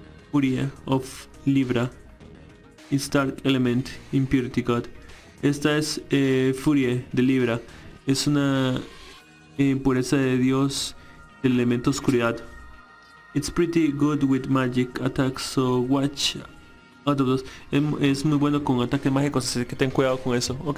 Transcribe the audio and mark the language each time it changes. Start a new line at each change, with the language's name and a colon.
English: Furia of Libra It's Dark Element Impurity God.
Spanish: Esta es Furia de Libra. Es una impureza de Dios del elemento oscuridad.
English: It's pretty good with magic attacks, so watch out of those.
Spanish: Es muy bueno con ataques mágicos, así que ten cuidado con eso, ¿ok?